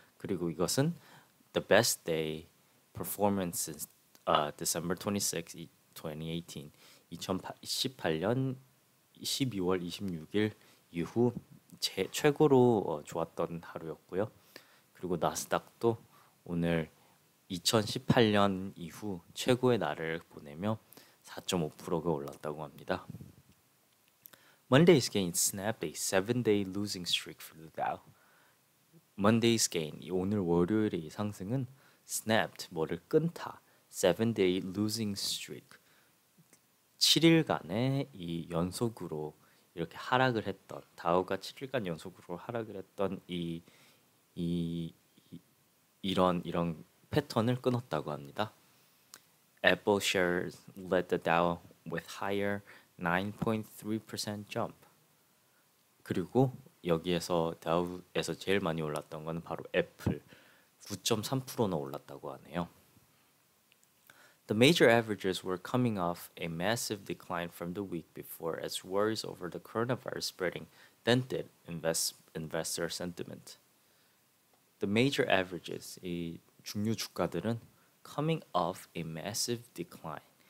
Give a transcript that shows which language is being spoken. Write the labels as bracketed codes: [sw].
[ko] 그리고 이것은 [en] the best day performance since December 26, 2018, [ko] 2018년 12월 26일 이후 최고로 좋았던 하루였고요. 그리고 나스닥도 오늘 2018년 이후 최고의 날을 보내며 4.5%가 올랐다고 합니다. [en] Monday's gain snapped a 7-day losing streak for the Dow. Monday's gain, [ko] 오늘 월요일의 상승은 snapped, 뭐를 끊다. [en] 7-day losing streak. [ko] 7일간의 이 연속으로 이렇게 하락을 했던 다우가 7일간 연속으로 하락을 했던 이런 패턴을 끊었다고 합니다. [en] Apple shares led the Dow with higher 9.3% jump. [ko] 그리고 여기에서 다우에서 제일 많이 올랐던 건 바로 애플. 9.3%나 올랐다고 하네요. [en] The major averages were coming off a massive decline from the week before as worries over the coronavirus spreading dented investor sentiment. The major averages, [ko] 이 중요 주가들은 [en] coming off a massive decline.